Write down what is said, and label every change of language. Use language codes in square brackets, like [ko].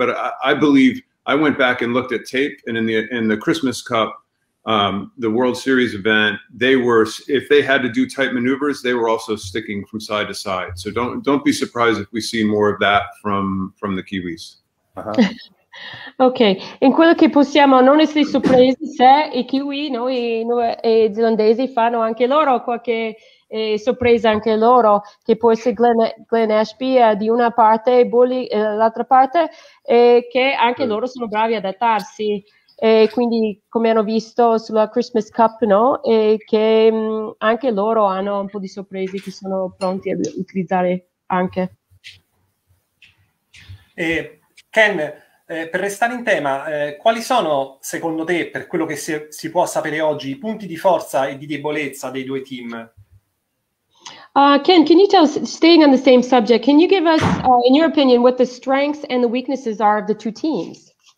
[en] But I believe I went back and looked at tape, and in the Christmas Cup, the World Series event, if they had to do tight maneuvers, they were also sticking from side to side. So don't be surprised if we see more of that from the Kiwis. Uh-huh. [it] Ok, in quello che possiamo non essere sorpresi se i Kiwi, noi zelandesi, fanno anche loro qualche sorpresa anche loro, che può essere Glenn Ashby di una parte e Bully dall'altra parte, che anche loro sono bravi ad adattarsi. E quindi, come hanno visto sulla Christmas Cup, no? E che anche loro hanno un po' di sorprese che sono pronti ad utilizzare anche. Ken, per restare in tema, quali sono, secondo te, per quello che si può sapere oggi, i punti di forza e di debolezza dei due team? [en] Ken, can you tell us, staying on the same subject, can you give us, in your opinion, what the strengths and the weaknesses are of the two teams?